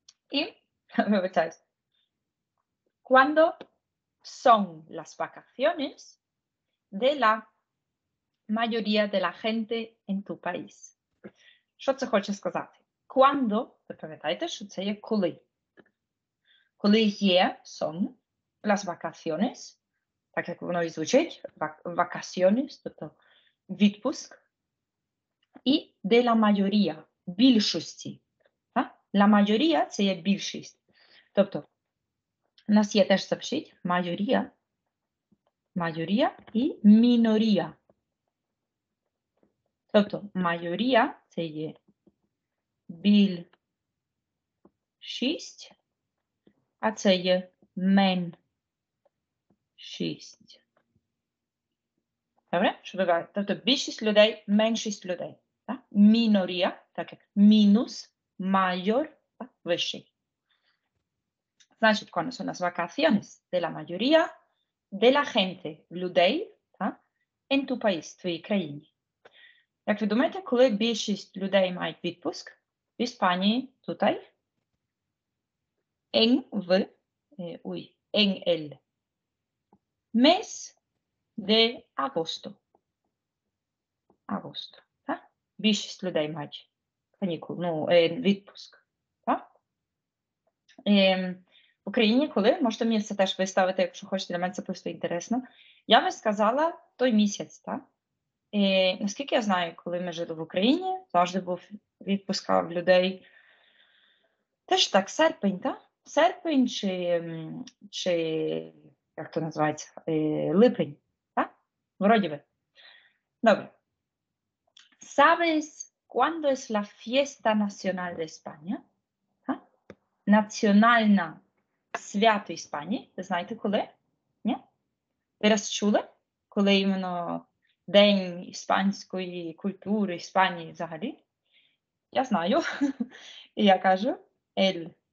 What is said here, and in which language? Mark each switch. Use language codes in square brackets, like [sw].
[uk] І, вибачаюсь, [es] ¿cuándo son las vacaciones de la mayoría de la gente en tu país? [uk] Що це хоче сказати? Quando, ви пам'ятаєте, що це є коли. Коли є, [es] son, las vacaciones, [uk] так як воно і звучить, vacaciones, тобто відпуск, і [es] de la mayoría, [uk] більшості. Так? La mayoría – це є більшість. Тобто, у нас є теж запишіть, mayoría, mayoría і minoría. Тобто, mayoría – це є більшість, а це є меншість. Добре? Що ви кажете? Тобто більшість людей, меншість людей. Так? Мінорія, так як мінус, майор, так? Вищий. Значить, коли сон нас вакаціонес? [es] De la mayoría, de la gente, [uk] людей, так? [es] En tu país, [uk] твоїй країні. Як ви думаєте, коли більшість людей мають відпуск? В Іспанії, тут, [es] en, в, ui, en el, mes de agosto. [uk] Agosto, так? Більшість людей мають канікул, ну, відпуск, так? В Україні коли? Можете мені це теж виставити, якщо хочете, для мене це просто інтересно. Я би сказала той місяць, так? Наскільки я знаю, коли ми жили в Україні, завжди був відпуск в людей. Теж так, серпень, так? Серпень чи як то називається, липень, так? Вроді би. Добре. [es] ¿Sabes cuándo es la fiesta nacional de España? [uk] Так? Національна свято Іспанії. Знаєте, коли? Ні? Ви раз чули, коли іменно... День іспанської культури, Іспанії взагалі. Я знаю. І я кажу. El.